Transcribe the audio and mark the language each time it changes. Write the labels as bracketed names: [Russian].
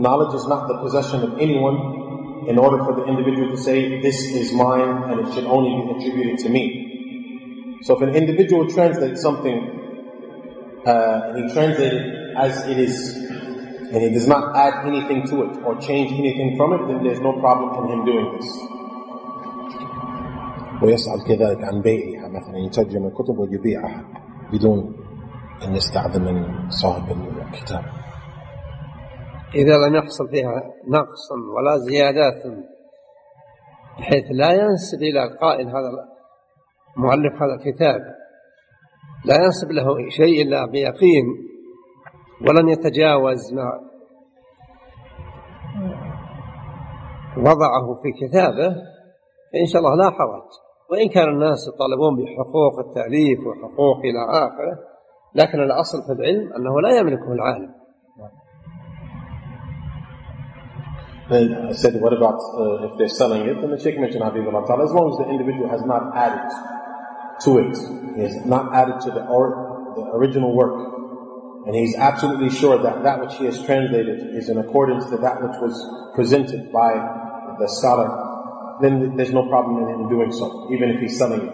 [English] Knowledge is not the possession of anyone in order for the individual to say, this is mine and it should only be attributed to me. So if an individual translates something and he translates it as it is and he does not add anything to it or change anything from it, then there's no problem in him doing this. [Arabic] ويسأل كذلك عن بيعها مثلا يترجم الكتب ويبيعها بدون أن يستعذب من صاحب الكتاب. إذا لم يحصل فيها نقص ولا زيادات بحيث لا ينسب إلى القائل هذا مؤلف هذا الكتاب لا ينسب له شيء إلا بيقين ولن يتجاوز ما وضعه في كتابه فإن شاء الله لا حرج. وإن كان الناس يطالبون بحقوق التأليف وحقوق إلى آخره لكن الأصل في العلم أنه لا يملكه العالم. [English] And I said, what about if they're selling it? And the Sheikh mentioned, Habibullah Ta'ala, as long as the individual has not added to it, he has not added to the original work, and he's absolutely sure that that which he has translated is in accordance to that which was presented by the scholar, then there's no problem in him doing so, even if he's selling it.